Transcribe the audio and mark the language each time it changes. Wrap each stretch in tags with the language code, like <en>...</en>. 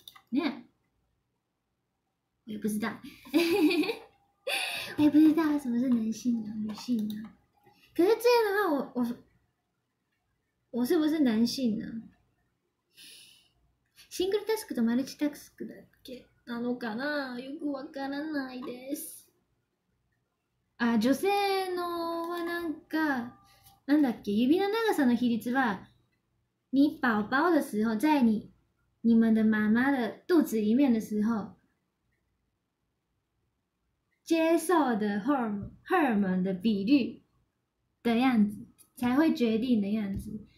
<zh>ね。我也不知道。也不知道什么是男性啊、女性啊。可是这样的话我是不是男性呢？</zh> <ja>シングルタスクとマルチタスクだっけなのかな？よくわからないです。あ、女性のはなんか、なんだっけ？指の長さの比率は、</ja> <zh>你宝宝的时候在你们的妈妈的肚子里面的时候，接受的荷尔蒙的比率的样子才会决定的样子。</zh>